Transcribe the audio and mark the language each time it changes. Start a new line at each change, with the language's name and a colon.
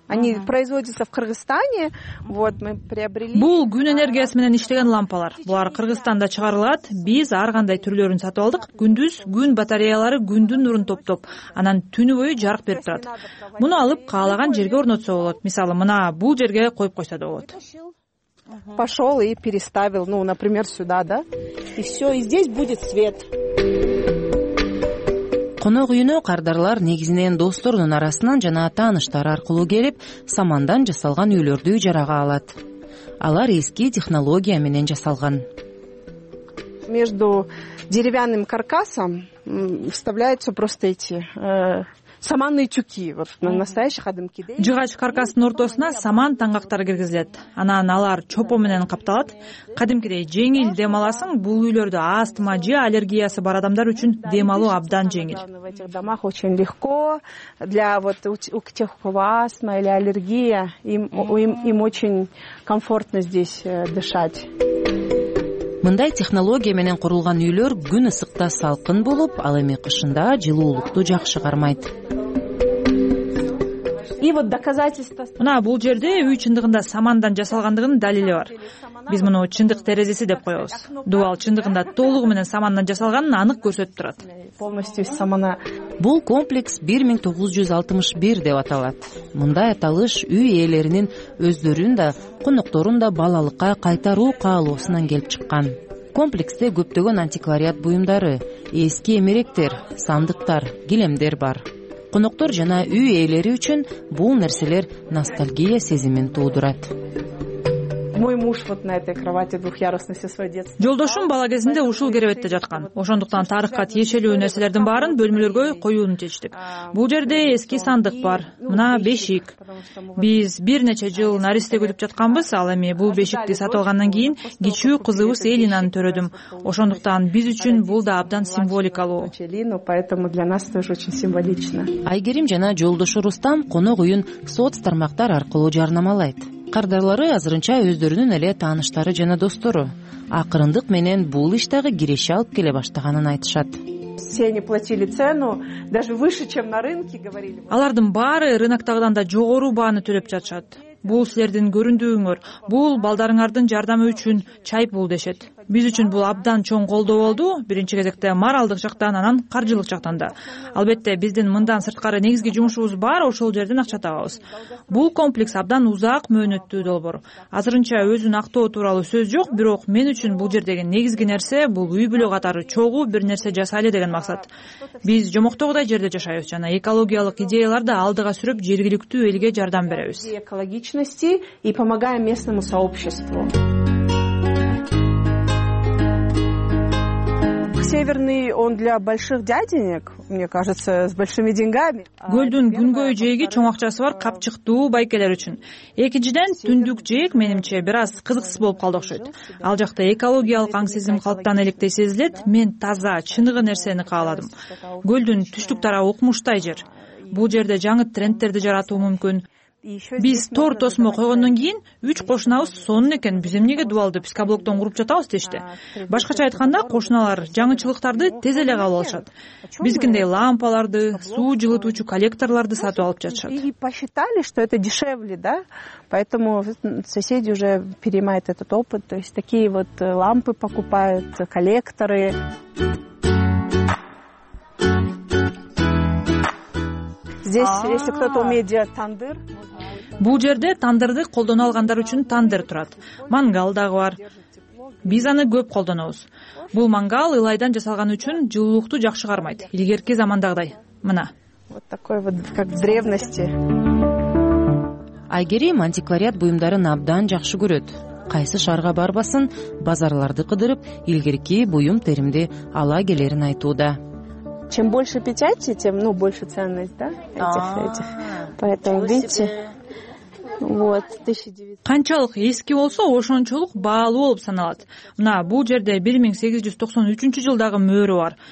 Russian: Они производятся в Кыргызстане. Вот мы приобрели.
Kyrgyz: Бул күн энергиясы менен иштеген лампалар. Булар Кыргызстанда чыгарылат. Биз ар кандай түрлөрүн сатып алдык. Күндүз күн батареялары күндүн нурун топтоп, анан түнү бою жарык берип турат. Муну алып каалаган жерге орнотсо болот. Мисалы, мына бул жерге коюп койсо да болот.
Russian: Пошёл и переставил, ну, например, сюда, да? И всё, и здесь будет свет.
Kyrgyz: Конок үйүнө кардарлар негизинен досторунун арасынан жана тааныштары аркылуу келип, самандан жасалган үйлөрдү жарага алат. Алар эски технология менен жасалган.
Russian: Между деревянным каркасом вставляются просто эти саманные тюки, вот на настоящих адамкиде.
Kyrgyz: Жыгач каркастын ортосуна саман таңгактары киргизилет. Анан алар чопо менен капталат. Кадимкидей жеңил дем аласың, бул үйлөрдө астма же аллергиясы бар адамдар үчүн дем алуу абдан жеңил.
Russian: В этих домах очень легко для вот у тех, у кого астма или аллергия, им очень комфортно здесь дышать.
Kyrgyz: Мындай технология менен курулган үйлөр күн ысыкта салкын болуп, ал эми кышында жылуулукту жакшы кармайт.
Russian: И вот доказательство.
Kyrgyz: Мына бул жерде үй чындыгында самандан жасалгандыгынын далили бар. Биз муну чындык терезеси деп коебуз. Дубал чындыгында толугу менен саманынан жасалганын анык көрсөтүп турат.
Russian: Полностью самана.
Kyrgyz: Бул комплекс 1961 деп аталат. Мындай аталыш үй ээлеринин өздөрүн да, конокторун да балалыкка кайтаруу каалоосунан келип чыккан. Комплексте көптөгөн антиквариат буюмдары, эски эмеректер, сандыктар, килемдер бар. Коноктор жана үй ээлери үчүн бул нерселер ностальгия сезимин туудурат.
Russian: Мой муж вот на этой кровати двухъярусный все свое детство.
Kyrgyz: Жолдошум бала кезинде ушул керебетте жаткан. Ошондуктан тарыхка тиешелүү нерселердин баарын бөлмөлөргө коюуну чечтик. Бул жерде эски сандык бар, мына бешик. Биз бир нече жыл наристе күтүп жатканбыз, ал эми бул бешикти сатып алгандан кийин кичүү кызыбыз Элинаны төрөдүм. Ошондуктан биз үчүн бул да абдан символикалуу.
Russian: Элина, поэтому для нас тоже очень символично.
Kyrgyz: Айгерим жана жолдошу Рустам конок үйүн соц тармактар аркылуу жарнамалайт. Кардарлары азырынча өздөрүнүн эле тааныштары жана достору. Акырындык менен бул иштеги киреше алып келе баштаганын айтышат.
Russian: Все они платили цену даже выше, чем на рынке, говорили.
Kyrgyz: Алардын баары рыноктагыдан да жогору бааны төлөп жатышат. Бул силердин көрүндүүңөр, бул балдарыңардын жардамы үчүн чай пул дешет. Биз үчүн бул абдан чоң колдоо болду. Биринчи кезекте моралдык жактан, анан каржылык жактан да. Албетте, биздин мындан сырткары негизги жумушубуз бар, ошол жерден акча табабыз. Бул комплекс абдан узак мөөнөттүү долбоор. Азырынча өзүн актоо тууралуу сөз жок, бирок мен үчүн бул жердеги негизги нерсе бул үй бүлө катары чогуу бир нерсе жасайлы деген максат. Биз жомоктогудай жерде жашайбыз жана экологиялык идеяларды алдыга сүрүп, жергиликтүү элге жардам беребиз.
Russian: Экологичности и помогаем местному сообществу. Северный, он для больших дяденек, мне кажется, с большими деньгами.
Kyrgyz: Гөлдүн күнгөй жээги чоң акчасы бар капчыктуу байкелер үчүн. Экинчиден, түндүк жээк менимче бир аз кызыксыз болуп калды окшойт. Ал жакта экологиялык аң сезим калктан электе сезилет, мен таза, чыныгы нерсени кааладым. Гөлдүн түштүк тарабы укмуштай жер. Бул жерде жаңы трендтерди жаратуу мүмкүн. Биз тор тосмо койгондон кийин үч кошунабыз сонун экен, биз эмнеге дубалды пискоблоктон куруп жатабыз дешти. Башкача айтканда, кошуналар жаңычылыктарды тез эле кабыл алышат. Биздикиндей лампаларды, суу жылытуучу коллекторлорду сатып алып жатышат.
Russian: И посчитали, что это дешевле, да? Поэтому соседи уже перенимают этот опыт, то есть такие вот лампы покупают, коллекторы. Здесь, если кто-то умеет делать тандыр.
Kyrgyz: Бул жерде тандырды колдоно алгандар үчүн тандыр турат. Мангал дагы бар. Биз аны көп колдонобуз. Бул мангал ылайдан жасалган үчүн жылуулукту жакшы кармайт. Илгерки замандагыдай. Мына.
Russian: Вот такой вот, как в древности.
Kyrgyz: Айгерим антиквариат буюмдарын абдан жакшы көрөт. Кайсы шаарга барбасын, базарларды кыдырып, илгерки буюм теримди ала келерин айтууда.
Russian: Чем больше печати, тем, ну, больше ценность, да, этих. Поэтому, видите, вот, 1900.
Kyrgyz: Канчалык эски болсо, ошончолук баалуу болуп саналат. Мына, бул жерде 1893 жылдагы мөөрү бар.